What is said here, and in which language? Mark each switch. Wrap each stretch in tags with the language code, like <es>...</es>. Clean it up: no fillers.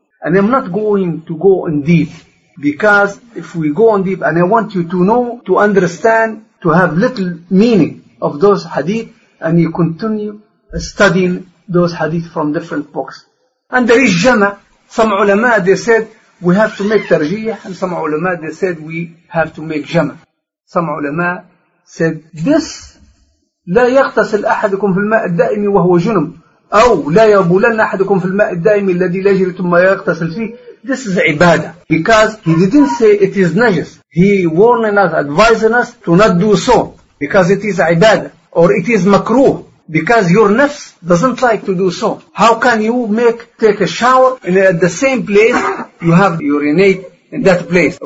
<en>And I'm not going to go in deep, because if we go in deep, and I want you to know, to understand, to have little meaning of those hadith, and you continue studying those hadith from different books. And there is jama. Some ulama, they said, we have to make tarjih, and some ulama, they said, we have to make jama. Some ulama said, this,</en> <ar>لا يغتسل أحدكم في الماء الدائم وهو جنب. أو لا يبولن أحدكم في الماء الدائم الذي لا يجري ثم يغتسل فيه.</ar> <en>This is ibadah. Because he didn't say it is najis. He warning us, advising us to not do so. Because it is ibadah. Or it is makruh. Because your nafs doesn't like to do so. How can you take a shower and at the same place you have urinate in that place?</en>